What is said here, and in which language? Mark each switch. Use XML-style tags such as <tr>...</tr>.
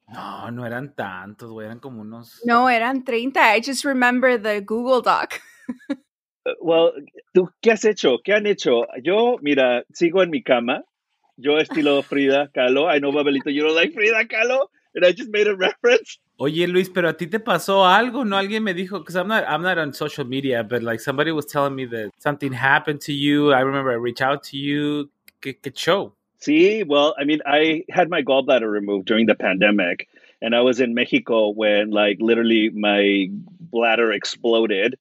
<es>No, no eran tantos. Eran como unos... No, eran 30.</es> <en>I just remember the Google Doc.</en> <es>Well, ¿tú qué has hecho? ¿Qué han hecho? Yo, mira, sigo en mi cama. Yo estilo Frida Kahlo.</es> <en>I know, Babelito, you don't like Frida Kahlo. And I just made a reference.</en> <es>Oye, Luis, pero a ti te pasó algo, ¿no? Alguien me dijo,</es> <en>because I'm not on social media, but like somebody was telling me that something happened to you. I remember I reached out to you.</en> <es>¿Qué show?</es> <en>Sí, well, I mean, I had my gallbladder removed during the pandemic. And I was in Mexico when, like, literally my bladder exploded.</en>